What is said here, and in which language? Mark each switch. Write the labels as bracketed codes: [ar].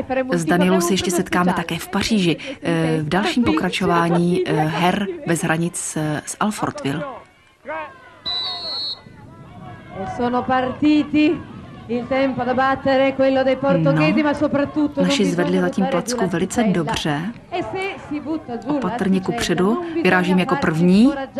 [cs] S Danielou se ještě setkáme také v Paříži, v dalším pokračování her bez hranic z Alfortville. [it] Sono partiti. Il tempo da battere quello dei portoghesi, ma soprattutto [cs] naši zvedli zatím placku velice dobře. Opatrně kupředu, vyrážím jako první.